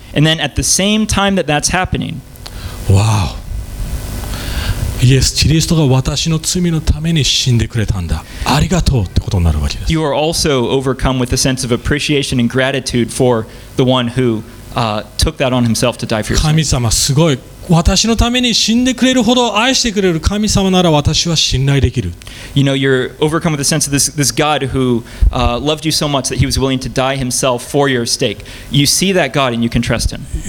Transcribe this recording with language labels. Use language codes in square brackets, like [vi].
[en] And then at the same time that that's happening, wow. Yes, Christ has died for my sins. Thank you. You are also overcome with a sense of appreciation and gratitude for the one who took that on himself to die for your sins. [ja] 神様すごい。私のために死んでくれるほど愛してくれる神様なら私は信頼できる。 [en] You know, you're overcome with the sense of this God who loved you so much that he was willing to die himself for your sake. You see that God and you can trust him.